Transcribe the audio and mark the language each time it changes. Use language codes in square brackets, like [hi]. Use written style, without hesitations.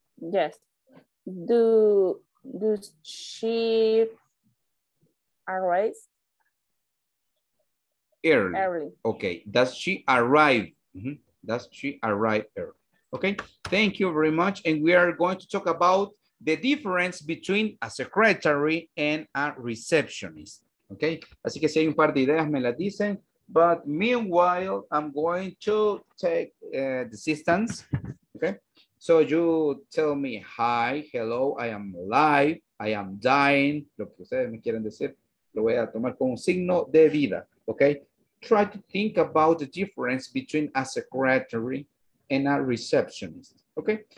[en] Yes. Does she arrive early? Okay, does she arrive? Mm-hmm. Does she arrive early? Okay, thank you very much. And we are going to talk about the difference between a secretary and a receptionist. [es] Okay, así que si hay un par de ideas, me las dicen. [en] But meanwhile, I'm going to take the assistance. Okay. So you tell me, hi, hello, I am alive, I am dying. [es] Lo que ustedes me quieren decir, lo voy a tomar como un signo de vida, okay? [en] Try to think about the difference between a secretary and a receptionist, okay?